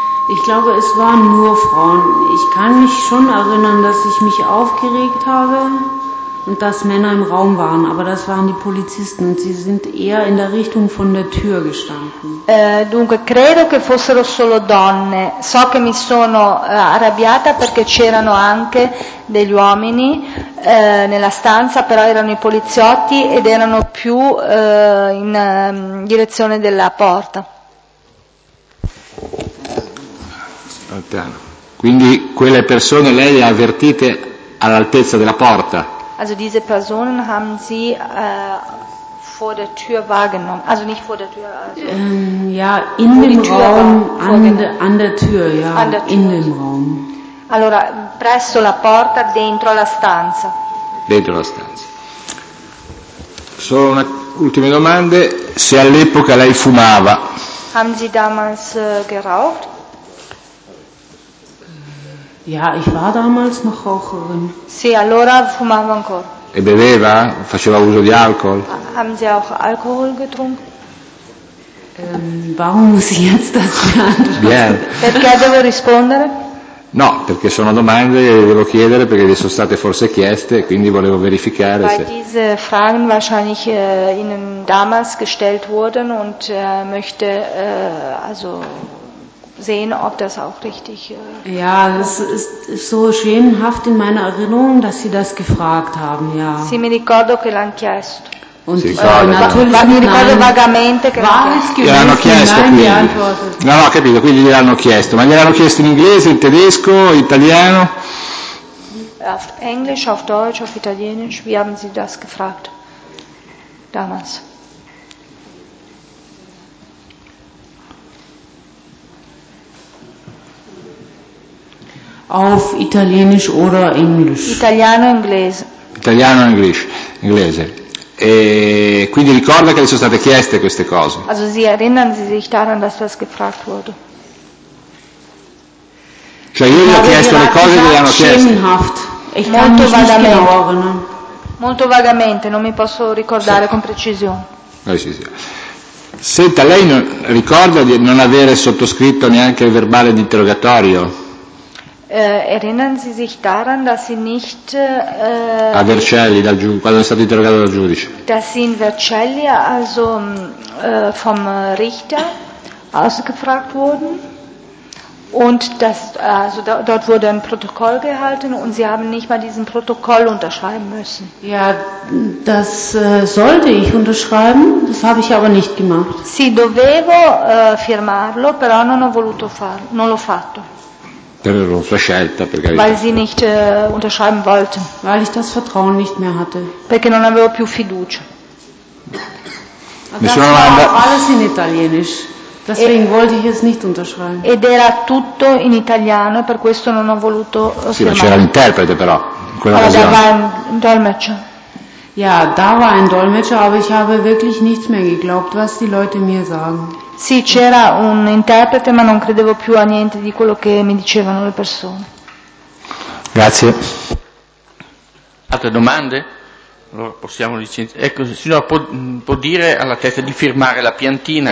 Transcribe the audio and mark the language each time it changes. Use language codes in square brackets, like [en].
[de] Ich glaube, es waren nur Frauen. Ich kann mich schon erinnern, dass ich mich aufgeregt habe. und dass Männer im Raum waren, aber das waren die Polizisten und sie sind eher in der Richtung von der Tür gestanden. [it] Dunque credo che fossero solo donne. So che mi sono arrabbiata perché c'erano anche degli uomini nella stanza, però erano i poliziotti ed erano più in direzione della porta. Quindi quelle persone lei le ha avvertite all'altezza della porta? [de] Also diese Personen haben sie vor der Tür wahrgenommen, also nicht vor der Tür, also ja, in dem Tür Raum, an der Tür, ja, an der Tür. In dem Raum. [it] Allora, presso la porta, dentro la stanza. Dentro la stanza. Solo una, ultime domande, se all'epoca lei fumava? [de] Haben sie damals geraucht? Ja, ich war damals noch Raucherin. Sì, allora fumavo ancora. [it] E beveva? Faceva uso di alcol? [de] Haben Sie auch Alkohol getrunken? Warum muss ich jetzt das Bien. [it] Perché devo rispondere? No, perché sono domande e devo chiedere, perché le sono state forse chieste, quindi volevo verificare se... [de] diese Fragen wahrscheinlich Ihnen damals gestellt wurden und möchte also... sehen, ob das auch richtig ja, es ist so schemenhaft in meiner Erinnerung, dass sie das gefragt haben, ja. [it] Sì, mi ricordo che l'han chiesto. [de] Und natürlich [it] mi ricordo vagamente che l'hanno chiesto. No, no, capito, quindi gliel'hanno chiesto, ma gliel'hanno chiesto in inglese, in tedesco, in italiano? [de] Auf Englisch, auf Deutsch, auf Italienisch, wie haben Sie das gefragt? Damals. Auf Italienisch oder Englisch? [it] Italiano e inglese. Italiano e inglese. E quindi ricorda che le sono state chieste queste cose. [de] Also Sie erinnern Sie sich daran, dass das gefragt wurde. [it] Cioè io gli ho chiesto le cose che gli hanno chiesto. Molto vagamente. Molto vagamente, non mi posso ricordare con precisione. Sì. Senta, lei non, ricorda di non avere sottoscritto neanche il verbale di interrogatorio? [de] Erinnern Sie sich daran, dass Sie nicht [it] a Vercelli, dal quando è stato interrogato dal giudice, [de] dass Sie in Vercelli, also vom Richter ausgefragt wurden und dass also dort wurde ein Protokoll gehalten und Sie haben nicht mal diesen Protokoll unterschreiben müssen? Ja, das sollte ich unterschreiben, das habe ich aber nicht gemacht. [it] Sì, dovevo firmarlo, però non ho voluto farlo, non l'ho fatto. Per sua scelta, per carità. [de] Weil sie nicht unterschreiben wollte. Weil ich das Vertrauen nicht mehr hatte. [it] Perché non avevo più fiducia. Nessuna domanda. [de] Alles in italienisch. Deswegen wollte ich es nicht unterschreiben. [it] Ed era tutto in italiano, per questo non ho voluto firmare. Sì, ma c'era l'interprete però, in quella occasione. Da war ein Dolmetscher. Ja, da war ein Dolmetscher, aber ich habe wirklich nichts mehr geglaubt, was die Leute mir sagen. Sì, c'era un interprete, ma non credevo più a niente di quello che mi dicevano le persone. Grazie. Altre domande? Allora possiamo licenziare. Ecco, il signor può dire alla testa di firmare la piantina,